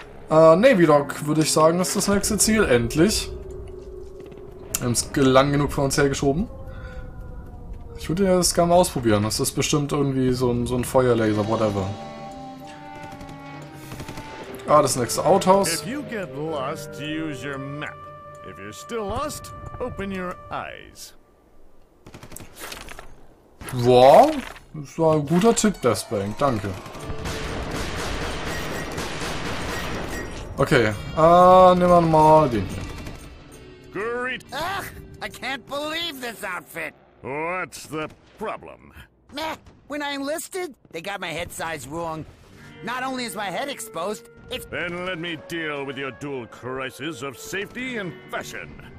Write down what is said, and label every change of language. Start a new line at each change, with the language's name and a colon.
German: Navy Dog, würde ich sagen, ist das nächste Ziel, endlich. Wir haben es lang genug von uns hergeschoben. Ich würde das gerne mal ausprobieren, das ist bestimmt irgendwie so ein Feuerlaser, whatever. Ah, das nächste Outhouse.
English: If you get lost, use your map. If you're still lost, open your eyes.
German: Wow, das war ein guter Tipp, Deathbank, danke. Okay, nehmen wir mal den hier.
English: Great. Ach, I can't believe this outfit. What's the problem? Meh, when I enlisted, they got my head size wrong. Not only is my head exposed, it's... Then let me deal with your dual crisis of safety and fashion.